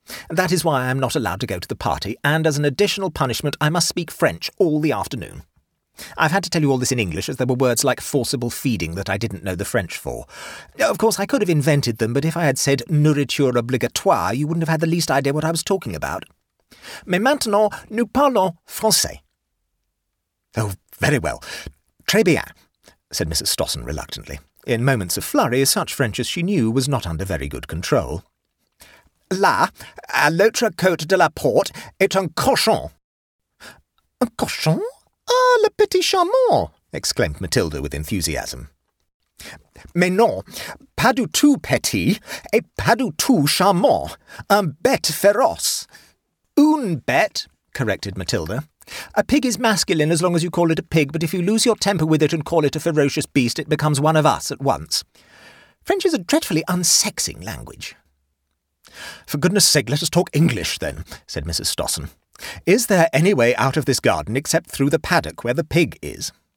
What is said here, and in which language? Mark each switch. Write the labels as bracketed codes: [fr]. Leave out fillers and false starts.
[en] That is why I am not allowed to go to the party, and as an additional punishment I must speak French all the afternoon. I've had to tell you all this in English, as there were words like forcible feeding that I didn't know the French for. Of course, I could have invented them, but if I had said [fr] nourriture obligatoire, [en] you wouldn't have had the least idea what I was talking about. [fr] Mais maintenant, nous parlons français. [en] Oh, very well. [fr] Très bien, [en] said Mrs. Stossen reluctantly. In moments of flurry, such French as she knew was not under very good control. [fr] Là, à l'autre côte de la porte, est un cochon. Un cochon? Ah, le petit charmant, [en] exclaimed Matilda with enthusiasm. [fr] Mais non, pas du tout petit, et pas du tout charmant. Un bête féroce. Une bête, [en] corrected Matilda. A pig is masculine as long as you call it a pig, but if you lose your temper with it and call it a ferocious beast, it becomes one of us at once. French is a dreadfully unsexing language. For goodness sake, let us talk English, then, said Mrs. Stossen. Is there any way out of this garden except through the paddock where the pig is?